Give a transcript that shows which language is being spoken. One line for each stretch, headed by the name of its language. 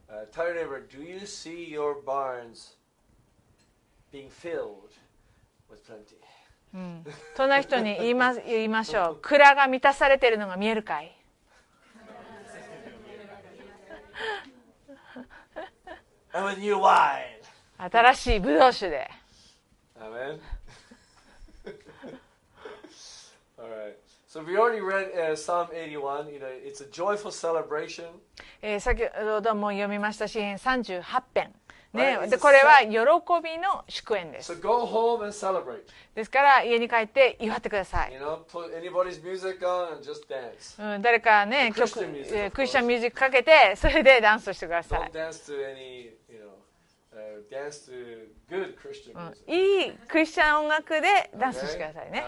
English: Tell your neighbor, do you see your barns being filled with plenty?
Japanese: 隣人に言いましょう、蔵が満たされているのが見えるかい。
English: And with new wine.
Japanese: 新しいブドウ酒で。
English: Amen. All right. So we already read Psalm 81. You know, it's a joyful celebration.
Japanese: 先ほども読みました詩編38編。
English: ね、right?
Japanese: でこれは喜びの祝宴です。
English: So go home and celebrate.
Japanese: ですから家に帰って祝ってください。
English: You know, put anybody's music on and just dance.
Japanese: 誰かね、曲、クリスチャンミュージックかけて、それでダンスをしてください。
English: Don't dance to any, you know, dance to good Christian music.
Japanese: いいクリスチャン音楽でダンスしてくださいね。